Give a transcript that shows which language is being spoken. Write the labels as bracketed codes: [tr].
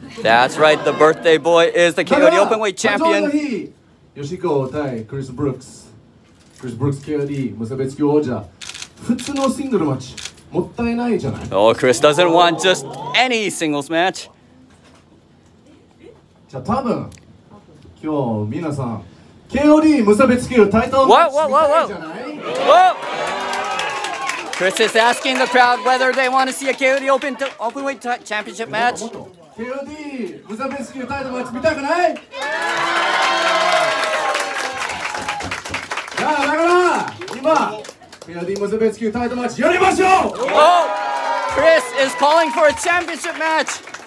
[en] That's right, the birthday boy is the KOD Openweight Champion. [ja] 誕生日の日、ヨシヒコ対クリス・ブルックス。クリス・ブルックス KOD 無差別級王者。普通のシングルマッチ、もったいないじゃない。 [en] Oh, Chris doesn't want just any singles match. [ja] じゃあ多分、今日皆さん、KOD 無差別級タイトルマッチ見たいじゃない？ [en] Chris is asking the crowd whether they want to see a KOD Openweight Championship match. [ja] KOD 無差別級タイトルマッチ見たくない？じゃあだから今 KOD 無差別級タイトルマッチやりましょう！ [en] Oh! Chris is calling for a championship match!